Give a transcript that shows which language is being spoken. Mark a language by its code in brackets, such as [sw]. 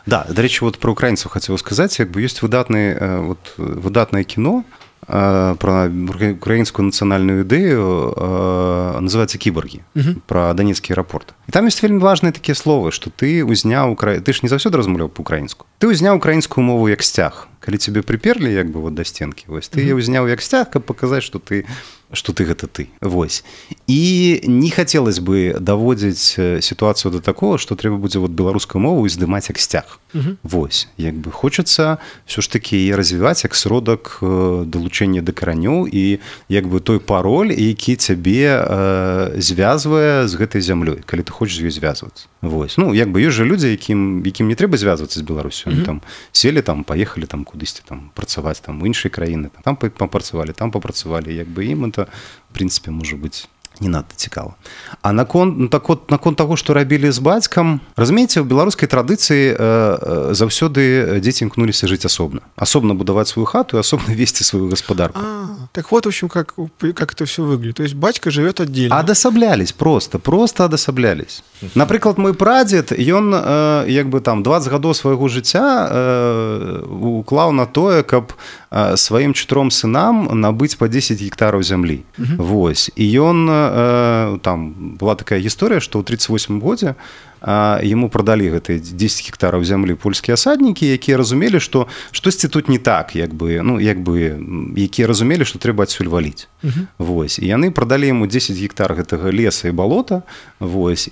[ru] Да, до речи, вот про украинцев хотел сказать, как бы есть выдатное кино про украинскую национальную идею, называется «Киборги», про Донецкий аэропорт. И там есть очень важные такие слова, что ты узнял... Ты ж не завсёды размовляв по-украинску. Ты узнял украинскую мову як стяг. Коли тебе приперли як бы вот до стенки, вось, ты узнял як стяг, как показать, что ты... Что ты гэта ты. Вось. [be] І не хацелось бы даводзіць сітуацыю до такого, што трэба будзе вот беларускую мову здымаць як сцяг. Вось. Як бы хочацца ўсё ж такі яе развіваць як сродак далучэння да каранёў і як бы той пароль, які цябе звязвае з гэтай зямлёй, калі ты хочаш з ёй звязвацца. Вось. Ну, як бы ёсць жа людзі, якім не трэба звязвацца з Беларусю. Они там селі, там паехалі там кудысьці там працаваць там у іншай краіне, там папрацавалі, як бы ім [ru] это, в принципе, может быть, [be] не надта цікава. А наконт таго, што рабілі з бацькам, разумееце, у беларускай традыцыі заўсёды дзеці імкнуліся жыць асобна. Асобна будаваць сваю хату і асобна весці сваю гаспадарку. [ru] Так вот, в общем, как это все выглядит. То есть батька живет отдельно. Адасаблялись просто, просто адасаблялись. Например, мой прадед, и он, как бы там, 20 годов своего життя уклал на то, как своим четырем сынам набыть по 10 гектаров земли. Угу. Вот. И он, там, была такая история, что в 38 годе ему продали [be] гэты 10 гектараў зямлі польскія асаднікі, якія разумелі, што штосьці тут не так, якія разумелі, што трэба адсюль валіць. Угу. Вось. І яны прадалі яму 10 гектар гэтага леса і балота, вось.